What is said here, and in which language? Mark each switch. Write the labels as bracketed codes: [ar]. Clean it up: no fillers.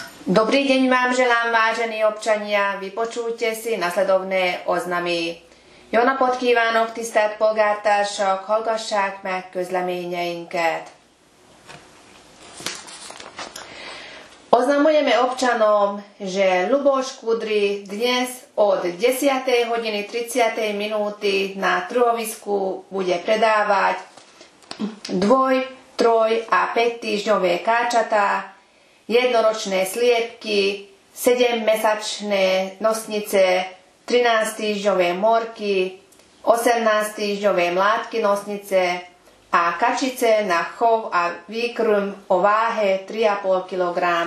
[sk] Dobrý deň vám želám, vážení občania. Vypočujte si nasledovné oznamy. [hu] Jó napot kívánok, tisztelt polgártársak, hallgassák meg közleményeinket. [sk] Oznamujeme občanom, že Luboš Kudry dnes od 10. hodiny 30. minúty na truhovisku bude predávať dvoj, troj a 5 týždňové káčatá, jednoročné sliepky, 7-mesačné nosnice, 13-týždňové morky, 18-týždňové mládky nosnice a kačice na chov a výkrm o váhe 3,5 kg.